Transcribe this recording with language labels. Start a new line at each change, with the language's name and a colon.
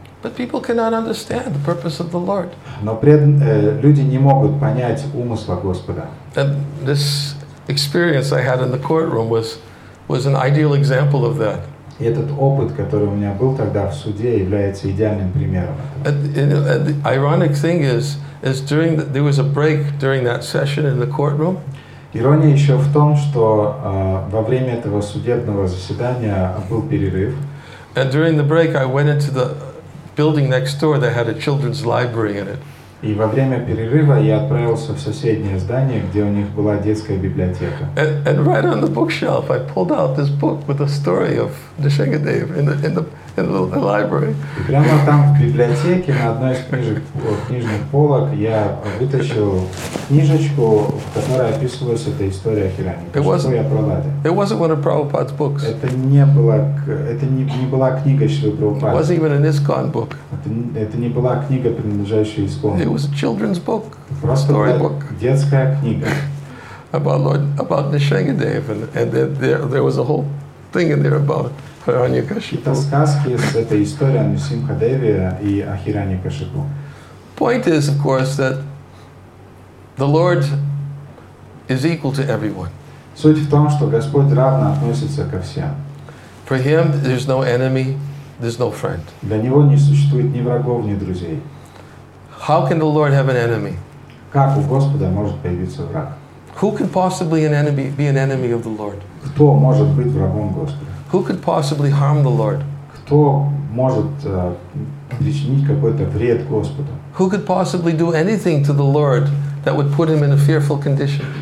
English: But people cannot understand the purpose of the Lord.
Russian: Но люди не могут понять умысла Господа.
English: And this experience I had in the courtroom was an ideal example of that.
Russian: И этот опыт, который у меня был тогда в суде, является идеальным примером.
English: The ironic thing is during the, there was a break during that session in the courtroom.
Russian: Ирония еще в том, что во время этого судебного заседания был перерыв.
English: And during the break, I went into the building next door that had a children's library in it.
Russian: И во время перерыва я отправился в соседнее здание, где у них была детская библиотека.
English: And right on the bookshelf, I pulled out this book with the story of Nrisimhadev in the library.
Russian: И прямо там в библиотеке на одной из книжных полок я вытащил книжечку, в которой описывалась эта история Хираньякашипу.
English: It wasn't one of Prabhupada's books.
Russian: Это не была книга Шрилы Прабхупады.
English: It wasn't even an ISKCON book.
Russian: Это не была книга, принадлежащая ISKCON.
English: It was a children's book, storybook.
Russian: Детская книга.
English: About Nrisimhadev, and there was a whole thing in there about Hiranyakashipu.
Russian: Это сказки с этой историей о Нрисимхадеве и о Хираньякашипу.
English: Point is, of course, that the Lord is equal to everyone.
Russian: Суть в том, что Господь равно относится ко всем.
English: For him, there's no enemy, there's no friend.
Russian: Для него не существует ни врагов, ни друзей.
English: How can the Lord have an enemy?
Russian: Как у Господа может появиться враг?
English: Who can possibly be an enemy of the Lord?
Russian: Кто может быть врагом Господа?
English: Who could possibly harm the Lord?
Russian: Кто может причинить какой-то вред Господу?
English: Who could possibly do anything to the Lord that would put him in a fearful condition?